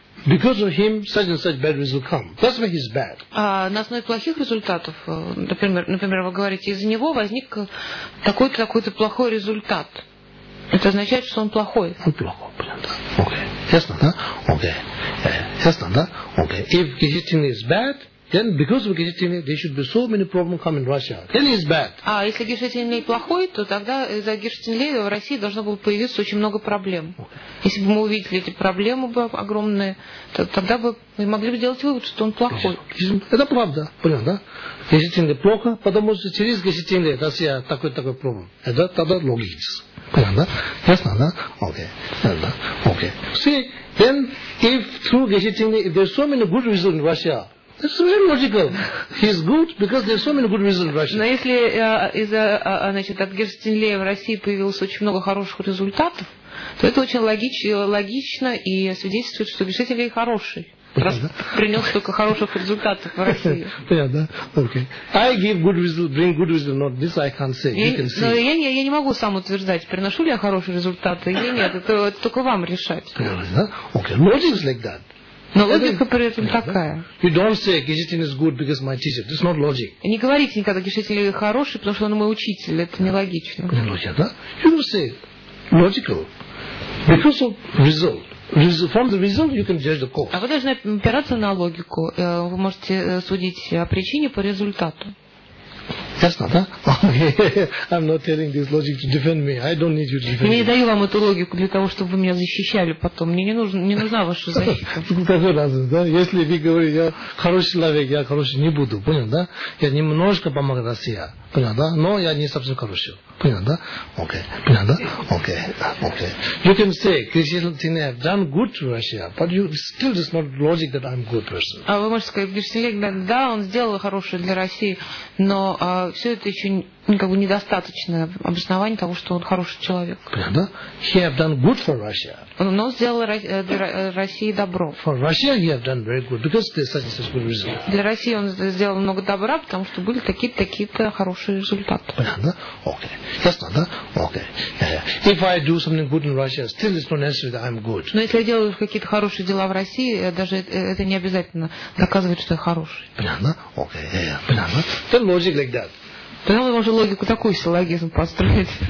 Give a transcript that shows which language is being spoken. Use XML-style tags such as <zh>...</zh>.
<en>Because of him, such and such bad result come. That's why he's bad.</en> <ru>На основе плохих результатов, например, вы говорите, из-за него возник такой-то плохой результат. Это означает, что он плохой. Он плохой, понятно. Окей. Ясно, да? Окей. Ясно, да? Окей.</ru> <en>If Kishitin is bad, then because of Kishitin, there should be so many problems come in Russia. Then he's bad.</en> <ru>Если Кишитин плохой, то тогда из-за Кишитин-Лея в России должно было появиться очень много проблем.</ru> <en>Okay.</en> <ru>Если бы мы увидели эти проблемы бы огромные, то тогда бы мы могли бы сделать вывод, что он плохой. Это правда, понятно, да? Кишитин плохо, потому что через Кишитин-Лея, да, я такой проблем. Это тогда логично. Понятно, да? Ясно, да? Окей. Ясно, да? Окей.</ru> <en>See, then, if through Geshe-Tingle, if there's so many good reasons in Russia, that's very logical. He's good because there's so many good reasons in Russia.</en> <ru>Но если от Geshe-Tingle в России появилось очень много хороших результатов, то это очень логично и свидетельствует, что Geshe-Tingle хороший. Раз принес только хороших результатов в России. Понятно, да? Окей.</ru> <en>I give good result, bring good result, not this I can't say.</en> <ru>Я не могу сам утверждать, приношу ли я хорошие результаты или нет. Это только вам решать. Понятно, да? Окей.</ru> <en>Logic is like that.</en> <ru>Но логика при этом такая.</ru> <en>You don't say Kishitin is good because my teacher. It's not logic.</en> <ru>Не говорите никогда, Kishitin is хороший, потому что он мой учитель. Это нелогично. Понятно, да?</ru> <en>You don't say logical because of result. From the result you can judge the cause.</en> <ru>А вы должны опираться на логику. Вы можете судить о причине по результату. Ясно, да? Okay.</ru> <en>I'm not telling this logic to defend me. I don't need you to defend me.</en> <ru>Я не даю вам эту логику для того, чтобы вы меня защищали потом. Мне не нужна ваша защита. Какой разум, да? Если вы говорите, я хороший человек, я хороший не буду. Понял, да? Я немножко помогу России. Понятно, да? Но я не совсем хорошо. Понятно, да? Окей. Понятно, да? Окей. Окей.</ru> <en>You can say, Кришна, I've done good to Russia, but you still does not logic that I'm a good person.</en> <ru>А вы можете сказать, Кришна, да, он сделал хорошее для России, но все это еще как бы недостаточное обоснование того, что он хороший человек. Понятно, да?</ru> <en>He have done good for Russia.</en> <ru>Но он сделал для России добро.</ru> <en>For Russia he have done very good, because there's such and such good result.</en> <ru>Для России он сделал много добра, потому что были такие-то хорошие результаты. Понятно, да? Окей. Ясно, да? Окей.</ru> <en>If I do something good in Russia, still it's not necessary that I'm good.</en> <ru>Но если я делаю какие-то хорошие дела в России, даже это не обязательно доказывает, что я хороший. Понятно? Окей. Понятно?</ru> <en>Then logic like that.</en> <ru>Тогда мы можем логику такую силлогизм построить.</ru>